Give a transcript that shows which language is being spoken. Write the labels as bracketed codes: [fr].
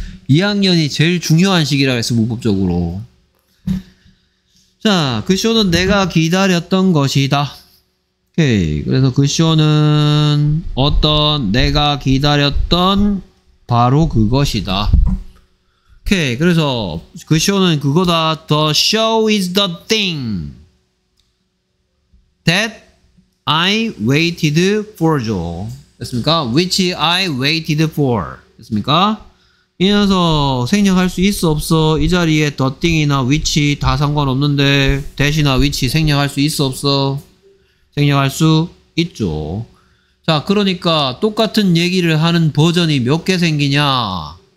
[ko] 2학년이 제일 중요한 시기라고 했어. 문법적으로. 자, 그 쇼는 내가 기다렸던 것이다. 오케이. 그래서 그 쇼는 어떤 내가 기다렸던 바로 그것이다. 오케이. 그래서 그 쇼는 그거다. [en] The show is the thing that I waited for. [ko] 됐습니까? [en] Which I waited for. 됐습니까? [ko] 이 녀석 생략할 수 있어 없어? 이 자리에 the thing이나 which 다 상관없는데 that이나 which 생략할 수 있어 없어? 생략할 수 있죠. 자, 그러니까 똑같은 얘기를 하는 버전이 몇 개 생기냐?